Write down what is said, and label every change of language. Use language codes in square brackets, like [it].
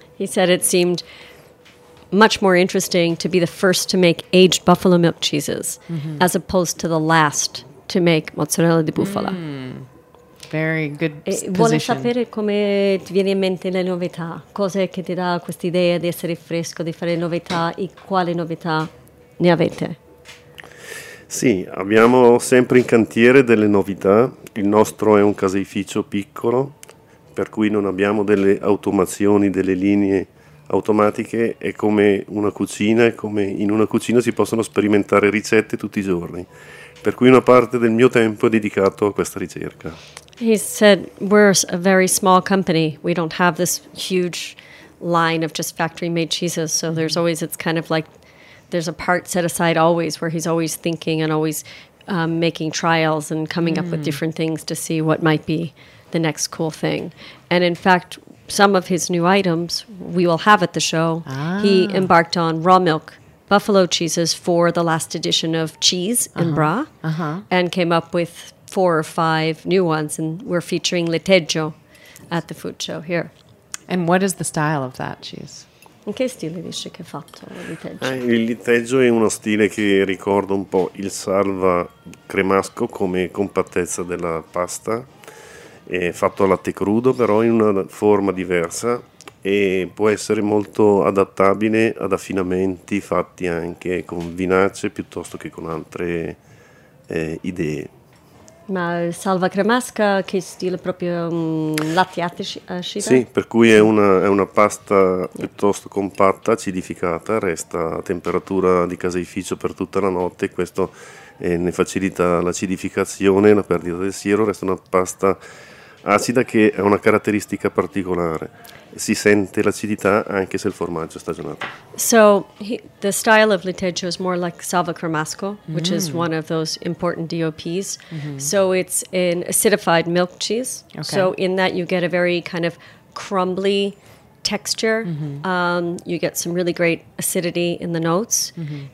[en] He said it seemed much more interesting to be the first to make aged buffalo milk cheeses as opposed to the last to make mozzarella di bufala. Very good position. [it] Vuole sapere come ti viene in mente le novità? Cosa è che ti dà questa idea di essere fresco, di fare novità e quale novità ne avete? Sì, abbiamo sempre in cantiere delle novità. Il nostro è un caseificio piccolo, per cui non abbiamo delle automazioni, delle linee automatiche. È come una cucina, è come in una cucina si possono sperimentare ricette tutti i giorni. Per cui una parte del mio tempo è dedicato a questa ricerca. [en] He said, we're a very small company. We don't have this huge line of just factory-made cheeses. So there's always, it's kind of like, there's a part set aside always where he's always thinking and always making trials and coming up with different things to see what might be the next cool thing. And in fact, some of his new items we will have at the show. Ah. He embarked on raw milk buffalo cheeses for the last edition of Cheese in Bra and came up with 4 or 5 new ones. And we're featuring Liteggio at the food show here. And what is the style of that cheese? [it] In che stile dici che è fatto il liteggio? Il liteggio è uno stile che ricorda un po' il salva cremasco come compattezza della pasta, è fatto a latte crudo però in una forma diversa e può essere molto adattabile ad affinamenti fatti anche con vinace piuttosto che con altre idee. Ma salva cremasca, che stile, proprio latte latte acido? Sì, per cui è una pasta piuttosto compatta, acidificata, resta a temperatura di caseificio per tutta la notte, questo ne facilita l'acidificazione, la perdita del siero, resta una pasta acida che ha una caratteristica particolare. Si sente l'acidità anche se il formaggio è stagionato. [en] So the style of liteggio is more like salva cremasco, which is one of those important DOPs. Mm-hmm. So it's an acidified milk cheese. Okay. So in that you get a very kind of crumbly texture. Mm-hmm. You get some really great acidity in the notes, mm-hmm.